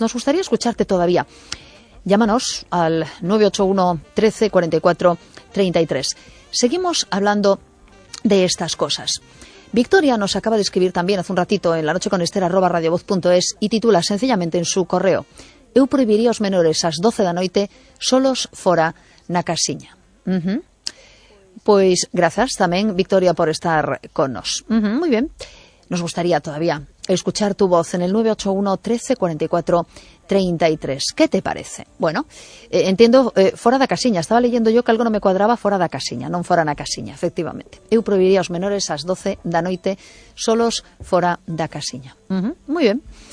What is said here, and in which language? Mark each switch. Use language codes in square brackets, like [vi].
[es] Nos gustaría escucharte todavía. Llámanos al 981 13 44 33. Seguimos hablando de estas cosas. Victoria nos acaba de escribir también hace un ratito en lanocheconester@radiovoz.es y titula sencillamente en su correo: [gl] eu prohibiría os menores ás 12 da noite solos fora na casiña. Pois grazas tamén, Victoria, por estar con nos. [es] Muy bien. Nos gustaría todavía escuchar tu voz en el 981-1344-33. ¿Qué te parece? Bueno, entiendo, [gl] fora da casiña. [es] Estaba leyendo yo que algo no me cuadraba [gl] fora da casiña, non fora na casiña, [es] efectivamente. [gl] Eu prohibiría os menores ás 12 da noite solos fora da casiña. [es] Muy bien.